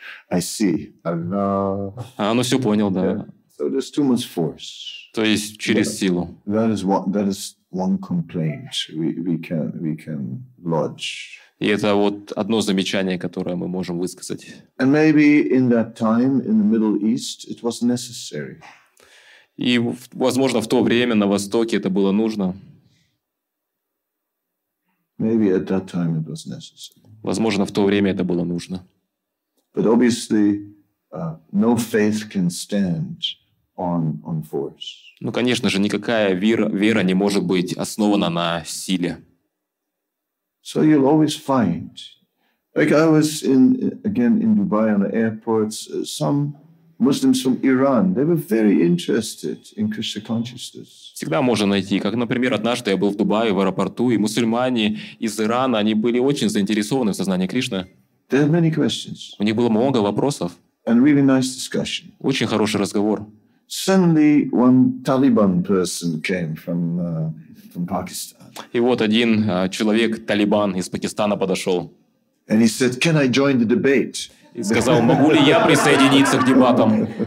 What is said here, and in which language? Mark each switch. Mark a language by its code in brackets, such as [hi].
[en] I see. [ru] А, ну все понял, да. Yeah. [en] So there's too much force. [ru] То есть через силу. [en] That is one complaint we can lodge. [ru] И это вот одно замечание, которое мы можем высказать. [en] And maybe in that time in the Middle East it was necessary. [ru] И, возможно, в то время на Востоке это было нужно. [en] Maybe at that time it was necessary. [ru] Возможно, в то время это было нужно. [en] But obviously, no faith can stand on force. [ru] Ну, конечно же, никакая вера не может быть основана на силе. [en] So you'll always find, like I was in Dubai on the airports, some Muslims from Iran, they were very interested in Krishna consciousness. [ru] Всегда можно найти, как, например, однажды я был в Дубае в аэропорту, и мусульмане из Ирана, они были очень заинтересованы в сознании Кришны. [en] There are many questions. [ru] У них было много вопросов. [en] And really nice discussion. [ru] Очень хороший разговор. [en] Suddenly one Taliban person came from Pakistan. [ru] И вот один человек Талибан из Пакистана подошел. [en] And he said, "Can I join the debate?" [ru] И сказал, могу ли я присоединиться к дебатам?